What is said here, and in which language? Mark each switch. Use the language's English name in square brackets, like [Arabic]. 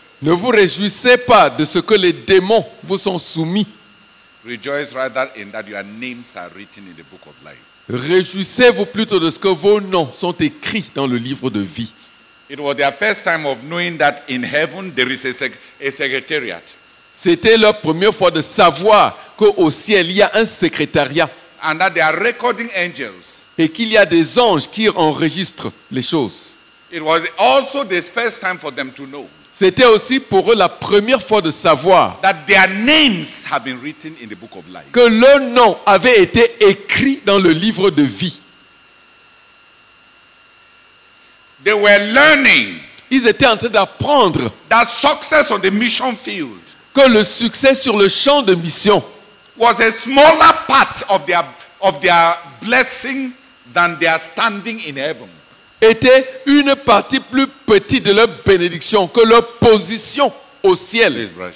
[French] Ne vous réjouissez pas de ce que les démons vous sont soumis. [English] Rejoice rather in that your names are written in the book of life. [French] Réjouissez-vous plutôt de ce que vos noms sont écrits dans le livre de vie. [English] It was their first time of knowing that in heaven there is a secretariat. [French] C'était leur première fois de savoir qu'au ciel il y a un secrétariat. [English] And that they are recording angels. [French] Et qu'il y a des anges qui enregistrent les choses. [English] It was also the first time for them to know. [French] C'était aussi pour eux la première fois de savoir [English] that their names have been written in the book of life. [French] Que leur nom avait été écrit dans le livre de vie. [English] They were learning. [French] Ils étaient en train d'apprendre [English] that success on the mission field [French] que le succès sur le champ de mission [English] was a smaller part of their blessing than their standing in heaven. [French] Était une partie plus petite de leur bénédiction que leur position au ciel.